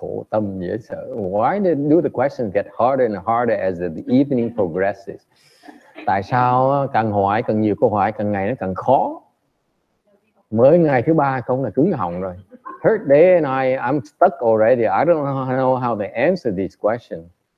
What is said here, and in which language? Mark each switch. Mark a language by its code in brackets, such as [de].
[en] Why do the questions get harder and harder as the evening progresses? [vi] Tại sao càng hỏi càng nhiều câu hỏi càng ngày nó càng khó? Mới ngày thứ ba không là cứng họng rồi. [en] Third day and I'm stuck already. I don't know how to answer this question.